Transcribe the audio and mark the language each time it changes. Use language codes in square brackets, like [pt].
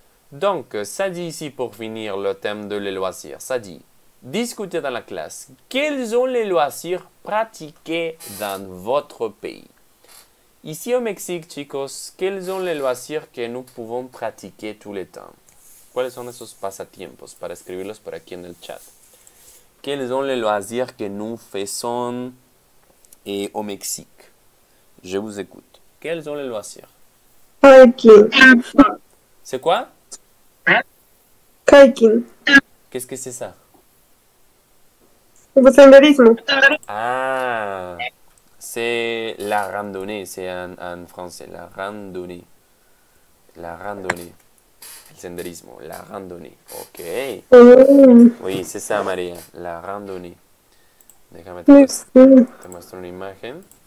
[fr] Donc, ça dit ici pour finir le thème de les loisirs. Ça dit, discutez dans la classe. Quels sont les loisirs pratiqués dans votre pays? Ici au Mexique, chicos, quels sont les loisirs que nous pouvons pratiquer tout le temps? [es] ¿Cuáles son esos pasatiempos? Para escribirlos por aquí en el chat. [fr] ¿Quels sont les loisirs que nous faisons et au Mexique? Je vous écoute. ¿Quels sont les loisirs? [en] Kayaking. [fr] C'est quoi? [en] Kayaking. [fr] Qu'est-ce que c'est ça? [es] Le senderismo. [fr] Ah, c'est la randonnée, c'est en français, la randonnée. La randonnée. Le senderismo, la randonnée. Ok. Oui, c'est ça, Maria, la randonnée. [es] Déjame te muestro una imagen.